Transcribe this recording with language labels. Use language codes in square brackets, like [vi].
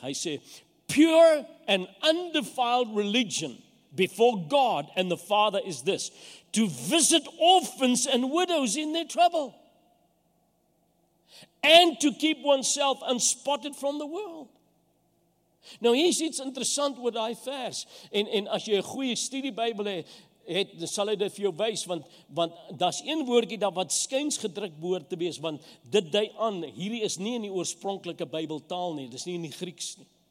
[af] Hy sê, [en] pure and undefiled religion before God and the Father is this, to visit orphans and widows in their trouble. And to keep oneself unspotted from the world. [af] Nou hier is iets interessant oor die vers. En as jy 'n goeie studiebybel het, sal hy dit vir jou wys. Want daar's een woordjie daar wat skuins gedruk behoort te wees. Want dit dui aan, hierdie is nie in die oorspronklike bybeltaal nie. Dit is nie in die Grieks nie.